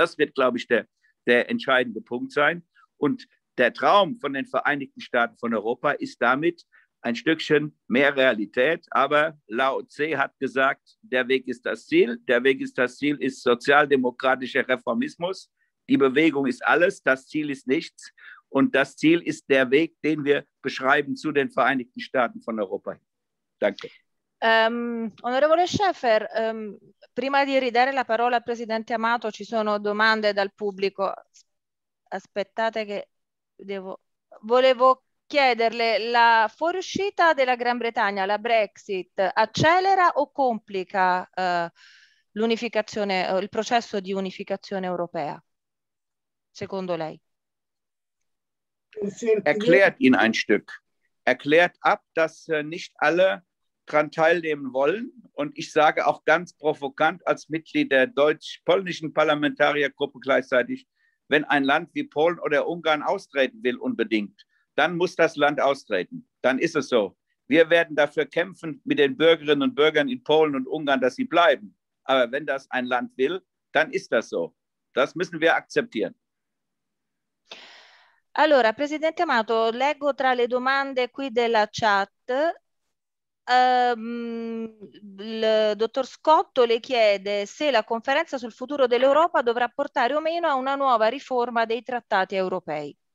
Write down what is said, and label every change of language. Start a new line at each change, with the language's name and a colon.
German: Das wird, glaube ich, der entscheidende Punkt sein. Und der Traum von den Vereinigten Staaten von Europa ist damit ein Stückchen mehr Realität. Aber Lao Tse hat gesagt, der Weg ist das Ziel. Der Weg ist das Ziel, ist sozialdemokratischer Reformismus. Die Bewegung ist alles, das Ziel ist nichts. Und das Ziel ist der Weg, den wir beschreiben zu den Vereinigten Staaten von Europa. Danke.
Italian: Onorevole Schäfer, prima di ridare la parola al Presidente Amato, ci sono domande dal pubblico. Aspettate che devo... Volevo chiederle, la fuoriuscita della Gran Bretagna, la Brexit, accelera o complica l'unificazione, il processo di unificazione europea, secondo lei?
German: Erklärt ihn ein Stück. Erklärt ab, dass nicht alle dran teilnehmen wollen. Und ich sage auch ganz provokant als Mitglied der deutsch-polnischen Parlamentariergruppe gleichzeitig, wenn ein Land wie Polen oder Ungarn austreten will unbedingt, dann muss das Land austreten. Dann ist es so. Wir werden dafür kämpfen mit den Bürgerinnen und Bürgern in Polen und Ungarn, dass sie bleiben. Aber wenn das ein Land will, dann ist das so. Das müssen wir akzeptieren.
Italian: Allora, Presidente Amato, leggo tra le domande qui della chat. Il dottor Scotto le chiede se la conferenza sul futuro dell'Europa dovrà portare o meno a una nuova riforma dei trattati europei.